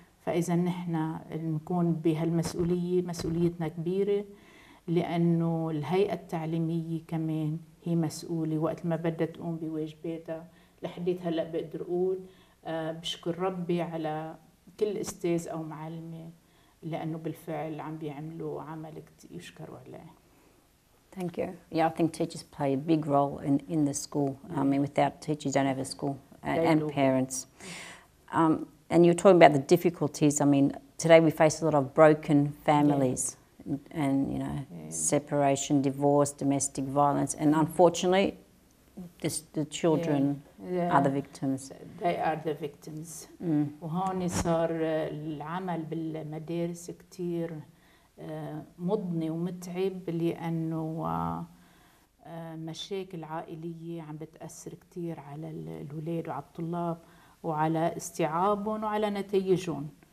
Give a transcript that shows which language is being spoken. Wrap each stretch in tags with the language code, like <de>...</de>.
<ar>فإذا نحن نكون بهالمسؤولية مسؤوليتنا كبيرة، لأنه الهيئة التعليمية كمان هي مسؤولة وقت ما بدها تقوم بواجباتها. لحديت هلأ بقدر أقول بشكر ربي على كل أستاذ أو معلمة، لأنه بالفعل عم بيعملوا عمل كتير يشكروا عليه.</ar> <en>Thank you. Yeah, I think teachers play a big role in the school. Yeah. I mean, without teachers, don't have a school, and parents. And you're talking about the difficulties. I mean, today we face a lot of broken families, yeah, and you know, yeah, separation, divorce, domestic violence, and unfortunately, the children, yeah, yeah, are the victims. They are the victims.</en> <ar>وهون صار العمل بالمدارس كتير مضني ومتعب، لأنه مشاكل عائلية عم بتأثر كتير على الولاد وعلى الطلاب وعلى استيعابهم وعلى نتائجهم.</ar>